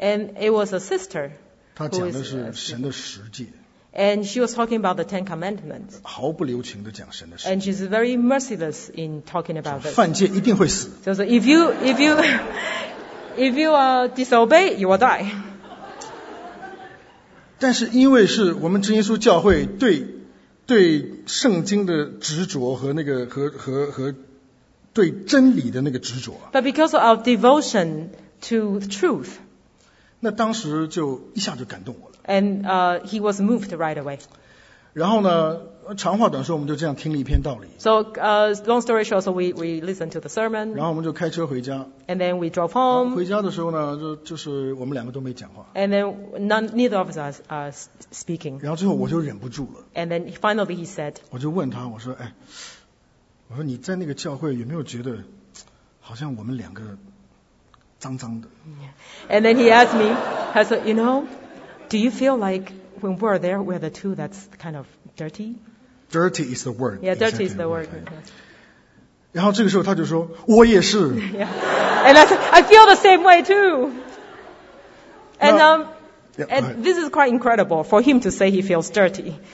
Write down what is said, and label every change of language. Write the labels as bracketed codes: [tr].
[en] And it was a sister. [zh] 她讲的是神的十诫。 [en] And she was talking about the Ten Commandments. [zh] 毫不留情地讲神的十诫。 [en] And she's very merciless in talking about this. [zh] 犯戒一定会死。就是 [en] if you disobey, you will die. [zh] 但是因为是我们真耶稣教会对圣经的执着和那个和对真理的那个执着。 [en] But because of our devotion to the truth. [zh] 那当时就一下就感动我了。 [en] And he was moved right away. [zh] 然后呢，长话短说，我们就这样听了一篇道理。 [en] So long story short, so we listened to the sermon. [zh] 然后我们就开车回家。 [en] And then we drove home. [zh] 回家的时候呢，就是我们两个都没讲话。 [en] And then neither of us are speaking. [zh] 然后最后我就忍不住了。 [en] And then finally he said. [zh] 我就问他，我说，哎。我说你在那个教会有没有觉得好像我们两个脏脏的 [en] ？And then he asked me, he said, you know, do you feel like when we're there, we're the two that's kind of dirty? Dirty is the word. Yeah, dirty is the word. [zh] 然后这个时候他就说，我也是。 [en] Yeah. And I said, I feel the same way too. And and this is quite incredible for him to say he feels dirty.